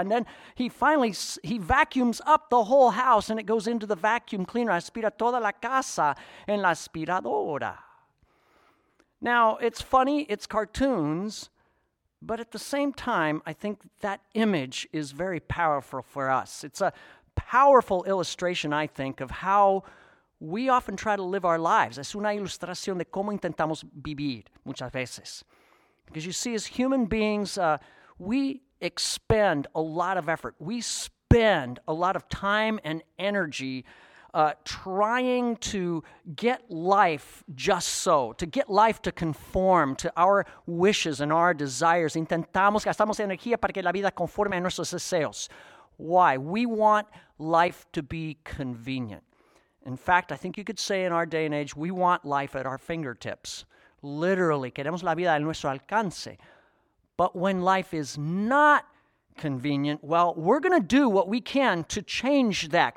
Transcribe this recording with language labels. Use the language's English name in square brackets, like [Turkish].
[English] And then he finally, he vacuums up the whole house, and it goes into the vacuum cleaner, [Spanish] aspira toda la casa en la aspiradora. [English] Now, it's funny, it's cartoons, but at the same time, I think that image is very powerful for us. It's a powerful illustration, I think, of how we often try to live our lives. [Spanish] Es una ilustración de cómo intentamos vivir muchas veces. [English] Because you see, as human beings, we expend a lot of effort. We spend a lot of time and energy trying to get life just so, to get life to conform to our wishes and our desires. [Spanish] Intentamos, gastamos energía para que la vida conforme a nuestros deseos. [English] Why? We want life to be convenient. In fact, I think you could say in our day and age, we want life at our fingertips. Literally, [Spanish] queremos la vida a nuestro alcance. [English] But when life is not convenient, well, we're going to do what we can to change that.